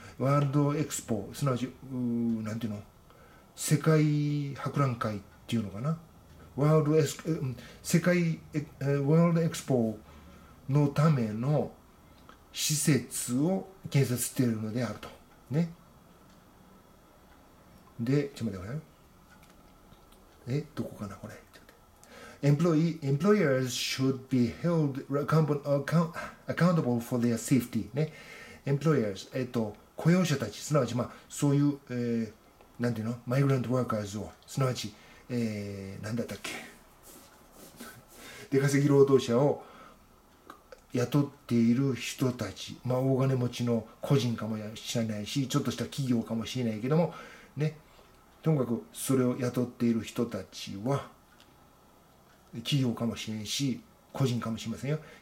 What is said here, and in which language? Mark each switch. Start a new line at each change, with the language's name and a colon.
Japanese: ワールドエクスポ、すなわち、なんていうの、世界博覧会っていうのかな、ワールドエス、世界、ワールドエクスポのための施設を建設しているのであると。ね。で、ちょっと待ってください。え、どこかな、これ。
English: Employers should be held accountable for their safety.
Japanese: ね、Employers、雇用者たち、すなわち、まあ、そういう、なんていうの、マイグラントワーカーズを、すなわち、なんだったっけ、出稼ぎ労働者を雇っている人たち、まあ、大金持ちの個人かもしれないし、ちょっとした企業かもしれないけども、ね、ともかくそれを雇っている人たちは、企業かもしれんし個人かもしれませんよ。